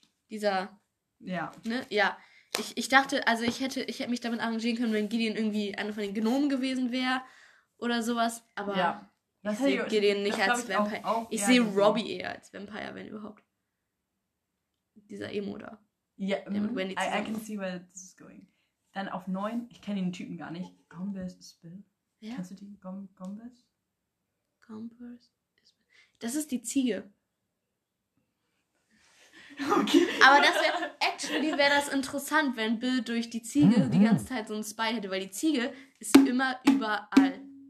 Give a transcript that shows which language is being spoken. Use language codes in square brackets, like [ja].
[de] Dieser. Ja. Ne? Ja. Ich dachte, also ich hätte mich damit arrangieren können, wenn Gideon irgendwie einer von den Gnomen gewesen wäre oder sowas. Aber ja. Ich sehe Gideon nicht als Vampire. Ich sehe Robbie eher als Vampire, wenn überhaupt. Dieser Emo da. Ja, [en] yeah, I can see where this is going. [de] Dann auf 9, ich kenne den Typen gar nicht. Gombas is Bill. Ja? Kennst du die? Gombas? Gombas is Bill. Das ist die Ziege. Okay. Aber das wäre, actually wäre das interessant, wenn Bill durch die Ziege die ganze Zeit so einen Spy hätte, weil die Ziege ist immer überall.